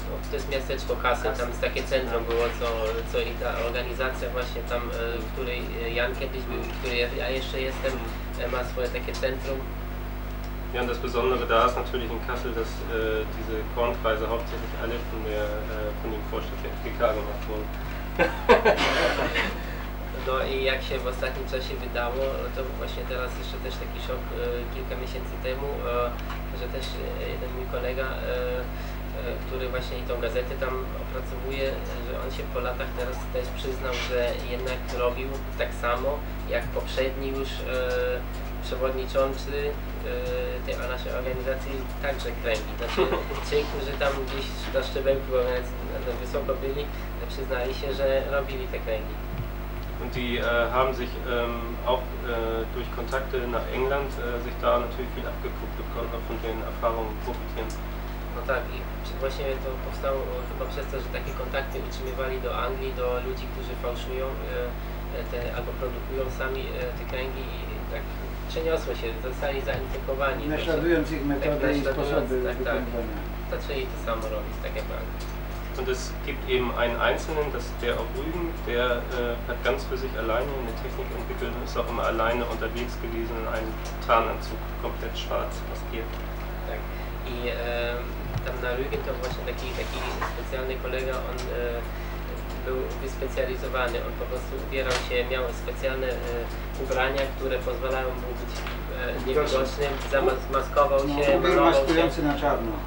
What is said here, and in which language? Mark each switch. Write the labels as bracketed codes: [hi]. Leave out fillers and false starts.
[pl] To jest miasteczko Kassel, tam jest takie centrum było, co i ta organizacja właśnie tam, w której Jan kiedyś był, w której ja jeszcze jestem, ma swoje takie centrum. [de] Ja, das Besondere da ist natürlich in Kassel, dass diese Kornkreise hauptsächlich alle von der von dem Vorstand der FDK gemacht wurden. [pl] No i jak się w ostatnim czasie wydało, no to właśnie teraz jeszcze też taki szok kilka miesięcy temu, że też jeden mój kolega, który właśnie i tą gazetę tam opracowuje, że on się po latach teraz też przyznał, że jednak robił tak samo jak poprzedni już przewodniczący tej naszej organizacji, także kręgi. Znaczy ci, którzy tam gdzieś na szczebelku wysoko byli, przyznali się, że robili te kręgi. [de] Und die haben sich auch durch Kontakte nach England sich da natürlich viel abgeguckt und konnten auch von den Erfahrungen profitieren. [pl] No tak, i właśnie to powstało chyba przez to, że takie kontakty utrzymywali do Anglii, do ludzi, którzy fałszują te, albo produkują sami te kręgi i tak przeniosło się, zostali zainfekowani. Naśladując ich metody tak, i sposoby wykonywania. Tak, zaczęli to samo robić, tak jak Anglii. [de] Und es gibt eben einen Einzelnen, das ist der auf Rügen, der hat ganz für sich alleine eine Technik entwickelt und ist auch immer alleine unterwegs gewesen in einem Tarnanzug, komplett schwarz, maskiert. [pl] I tam na Rügen to właśnie taki specjalny kolega, on był wyspecjalizowany, on po prostu ubierał się, miał specjalne ubrania, które pozwalają mu być niewidocznym, zamaskował się. Był maskujący na czarno.